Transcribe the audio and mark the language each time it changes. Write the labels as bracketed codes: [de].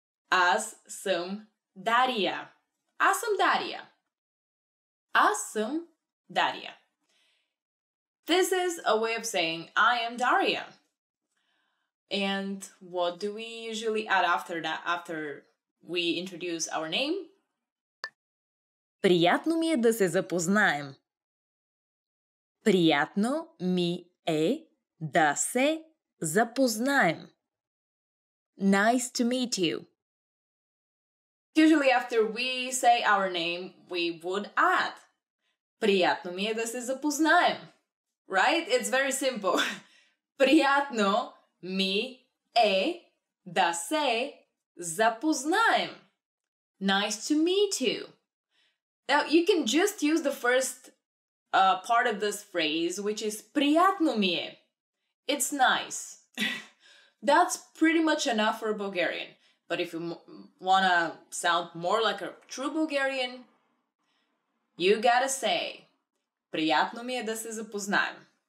[bg] Аз съм Дария. Аз съм Дария. Аз съм Дария. [en] This is a way of saying, I am Daria. And what do we usually add after that, after we introduce our name? [bg] Приятно ми е да се запознаем. Приятно ми е да се запознаем. [en] Nice to meet you. Usually after we say our name, we would add [bg] Приятно ми е да се запознаем. [en] Right? It's very simple. [bg] Приятно ми е да се запознаем. [en] Nice to meet you. Now, you can just use the first part of this phrase, which is [bg] Приятно ми е. [en] It's nice. That's pretty much enough for a Bulgarian. But if you want to sound more like a true Bulgarian, you gotta say [bg] Приятно ми е да се запознаем.